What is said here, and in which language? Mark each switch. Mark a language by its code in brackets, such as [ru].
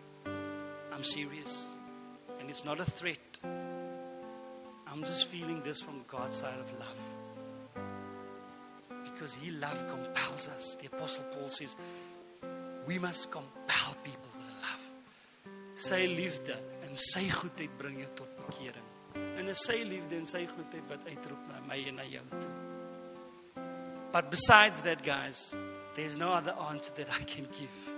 [en] I'm serious. And it's not a threat. I'm just feeling this from God's side of love. Because He love compels us. The Apostle Paul says, we must compel people. [af] Sy liefde en sy goedheid bring jou tot bekering. En is sy liefde en sy goedheid wat uitroep na my en na jou toe. [en] But besides that, guys, there's no other answer that I can give.